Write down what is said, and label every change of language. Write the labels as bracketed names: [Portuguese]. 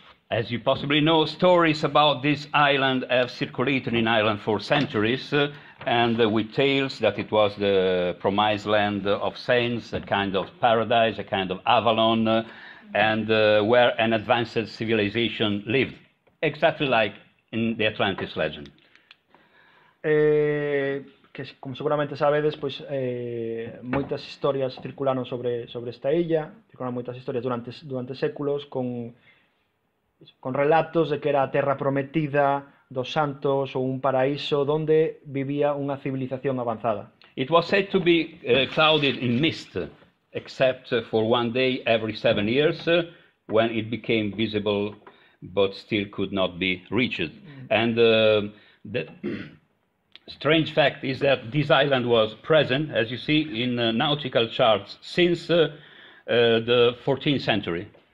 [English] As you possibly know, stories about this island have circulated in Ireland for centuries, and with tales that it was the promised land of saints, a kind of paradise, a kind of Avalon, and where an advanced civilization lived, exactly like in the Atlantis legend. [Galician] Que, como seguramente sabedes, pois, moitas historias circularon sobre esta illa, circularon moitas historias durante séculos con relatos de que era a terra prometida dos santos ou un paraíso onde vivía unha civilización avanzada. [English] It was said to be clouded in mist, except for one day every 7 years, when it became visible, but still could not be reached. And the strange fact is that this island was present, as you see, in nautical charts since the 14th century.